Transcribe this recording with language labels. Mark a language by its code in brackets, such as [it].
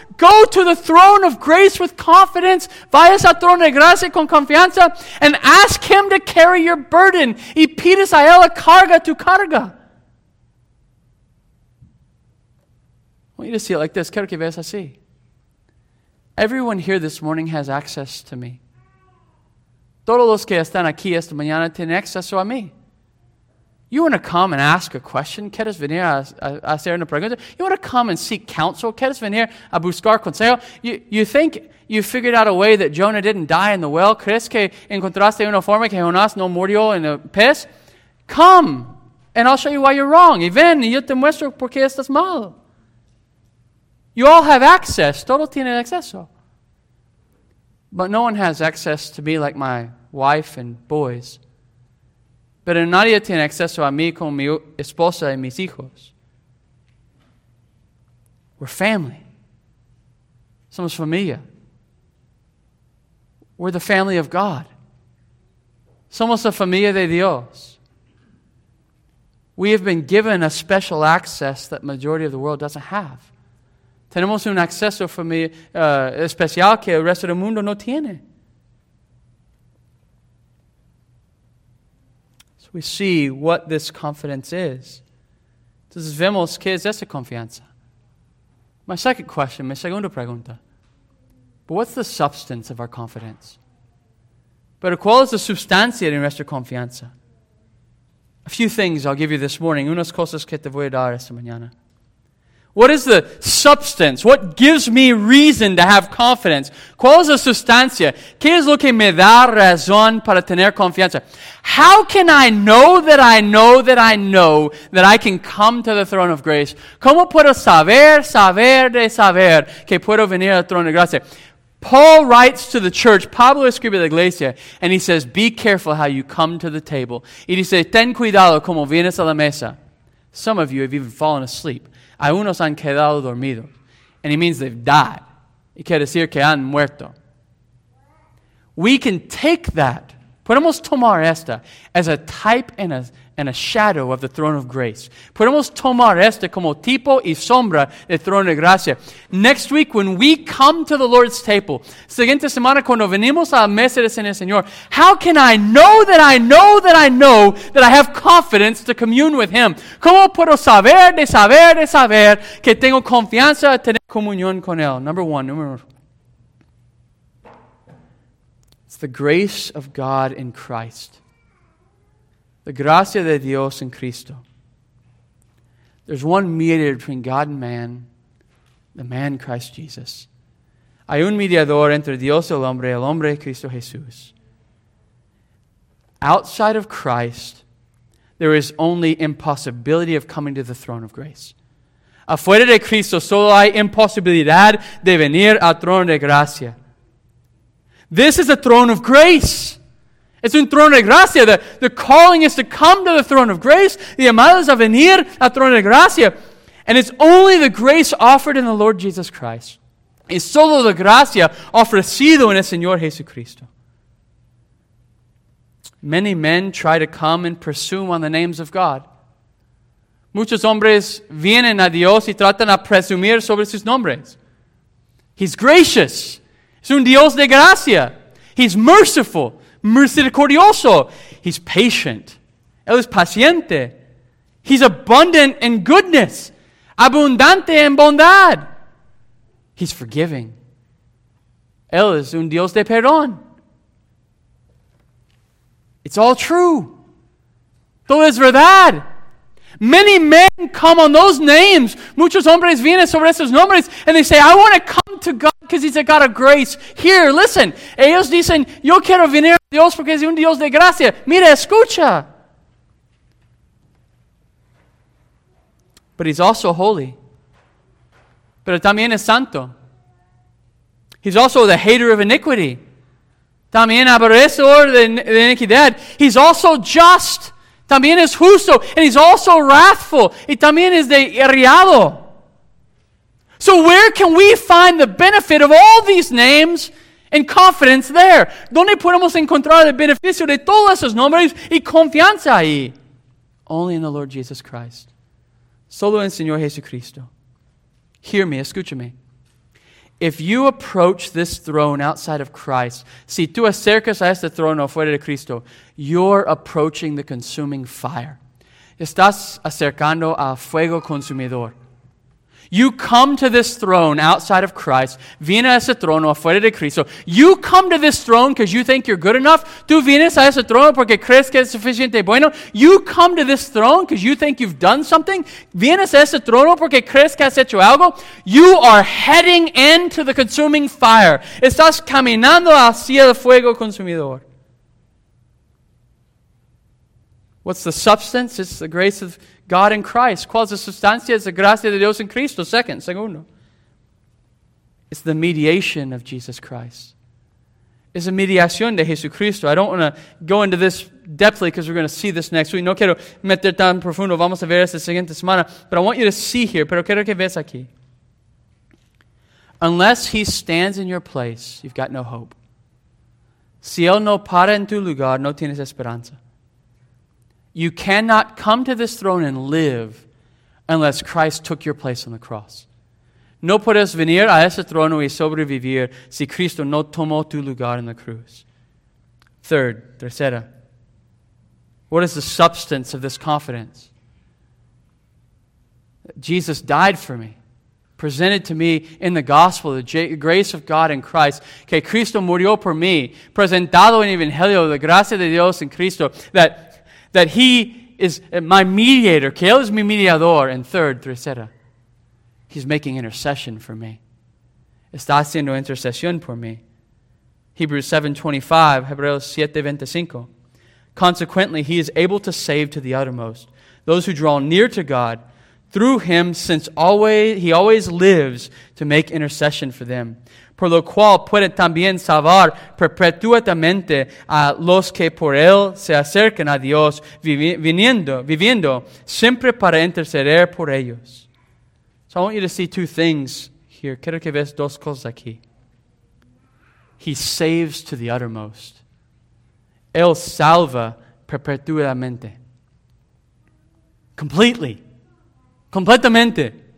[en] Go to the throne of grace with confidence. [es] Vayas al trono de gracia con confianza [en] and ask Him to carry your burden. [es] Y pides a Él carga tu carga. [en] I want you to see it like this. [es] Quiero que veas así. [en] Everyone here this morning has access to me. [es] Todos los que están aquí esta mañana tienen acceso a mí. [en] You want to come and ask a question? [es] ¿Quieres venir a hacer una pregunta? [en] You want to come and seek counsel? [es] ¿Quieres venir a buscar consejo? [en] You think you figured out a way that Jonah didn't die in the well? [es] ¿Crees que encontraste una forma que Jonás no murió en el pez? [en] Come, and I'll show you why you're wrong. [es] Y ven, y yo te muestro por qué estás mal. [en] You all have access. [es] Todo tiene acceso. [en] But no one has access to me like my wife and boys. [es] Pero nadie tiene acceso a mí como mi esposa y mis hijos. [en] We're family. [es] Somos familia. [en] We're the family of God. [es] Somos la familia de Dios. [en] We have been given a special access that majority of the world doesn't have. [es] Tenemos un acceso especial que el resto del mundo no tiene. [en] We see what this confidence is. [es] Entonces vemos qué es esa confianza. [en] My second question, [es] mi segunda pregunta. [en] But what's the substance of our confidence? [es] Pero cuál es la sustancia de nuestra confianza? [en] A few things I'll give you this morning. [es] Unas cosas que te voy a dar esta mañana. [en] What is the substance? What gives me reason to have confidence? [es] ¿Cuál es la sustancia? ¿Qué es lo que me da razón para tener confianza? [en] How can I know that I know that I know that I can come to the throne of grace? [es] ¿Cómo puedo saber de saber que puedo venir al trono de gracia? [en] Paul writes to the church, [es] Pablo escribe a la iglesia, [en] and he says, be careful how you come to the table. [es] Y dice, ten cuidado como vienes a la mesa. [en] Some of you have even fallen asleep. [es] Algunos han quedado dormidos. [en] And it means they've died. [es] Y quiere decir que han muerto. [en] We can take that. [es] Podemos tomar esta [en] as a type and a shadow of the throne of grace. [es] Podemos tomar esta como tipo y sombra del trono de gracia. [en] Next week, when we come to the Lord's table, [es] siguiente semana cuando venimos a la mesa del Señor, [en] how can I know that I know that I know that I have confidence to commune with Him? [es] ¿Cómo puedo saber de saber de saber que tengo confianza a tener comunión con Él? [en] Number one. It's the grace of God in Christ. [es] La gracia de Dios en Cristo. [en] There's one mediator between God and man, the man Christ Jesus. [es] Hay un mediador entre Dios y el hombre Cristo Jesús. [en] Outside of Christ, there is only impossibility of coming to the throne of grace. [es] Afuera de Cristo, solo hay imposibilidad de venir al trono de gracia. [en] This is a throne of grace. It's [es] un trono de gracia. [en] The calling is to come to the throne of grace. The [es] llamada es a venir al trono de gracia. [en] And it's only the grace offered in the Lord Jesus Christ. [es] Es solo la gracia ofrecida en el Señor Jesucristo. [en] Many men try to come and presume on the names of God. [es] Muchos hombres vienen a Dios y tratan a presumir sobre sus nombres. [en] He's gracious. [es] Es un Dios de gracia. [en] He's merciful. [es] Misericordioso. [en] He's patient. [es] Él es paciente. [en] He's abundant in goodness. [es] Abundante en bondad. [en] He's forgiving. [es] Él es un Dios de perdón. [en] It's all true. [es] Todo es verdad. [en] Many men come on those names. [es] Muchos hombres vienen sobre esos nombres. [en] And they say, I want to come to God because he's a God of grace. Here, listen. [es] Ellos dicen, yo quiero venir a Dios porque es un Dios de gracia. Mira, escucha. [en] But he's also holy. [es] Pero también es santo. [en] He's also the hater of iniquity. [es] También aborrecedor de iniquidad. [en] He's also just. [es] También es justo. [en] And he's also wrathful. [es] Y también es de irriado. [en] So where can we find the benefit of all these names and confidence there? [es] ¿Dónde podemos encontrar el beneficio de todos esos nombres y confianza ahí? [en] Only in the Lord Jesus Christ. [es] Solo en Señor Jesucristo. [en] Hear me, [es] escúchame. [en] If you approach this throne outside of Christ, [es] si tú acercas a este trono fuera de Cristo, [en] you're approaching the consuming fire. [es] Estás acercando a fuego consumidor. [en] You come to this throne outside of Christ, [es] viene a ese trono fuera de Cristo. [en] You come to this throne because you think you're good enough. [es] Tú vienes a ese trono porque crees que es suficiente bueno. [en] You come to this throne because you think you've done something. [es] Vienes a ese trono porque crees que has hecho algo. [en] You are heading into the consuming fire. [es] Estás caminando hacia el fuego consumidor. [en] What's the substance? It's the grace of God in Christ. [es] ¿Cuál es la sustancia? Es la gracia de Dios en Cristo. Segundo. [en] It's the mediation of Jesus Christ. [es] Es la mediación de Jesucristo. [en] I don't want to go into this depthly because we're going to see this next week. [es] No quiero meter tan profundo. Vamos a ver esta siguiente semana. [en] But I want you to see here. [es] Pero quiero que veas aquí. [en] Unless he stands in your place, you've got no hope. [es] Si él no para en tu lugar, no tienes esperanza. [en] You cannot come to this throne and live unless Christ took your place on the cross. [es] No puedes venir a ese trono y sobrevivir si Cristo no tomó tu lugar en la cruz. [en] Third, [es] tercera. [en] What is the substance of this confidence? Jesus died for me. Presented to me in the gospel, the grace of God in Christ. [es] Que Cristo murió por mí. Presentado en el Evangelio, la gracia de Dios en Cristo. [en] That he is my mediator. [es] Que él es mi mediador. [en] And third, [es] tercera, [en] he's making intercession for me. [es] Está haciendo intercesión por mí. Hebrews 7:25. [en] Consequently, he is able to save to the uttermost those who draw near to God through him, since always he always lives to make intercession for them. [es] Por lo cual puede también salvar perpetuamente a los que por él se acercan a Dios, viviendo siempre para interceder por ellos. [en] So I want you to see two things here. [es] Quiero que veas dos cosas aquí. [en] He saves to the uttermost. [es] Él salva perpetuamente. [en] Completely. [es] Completamente.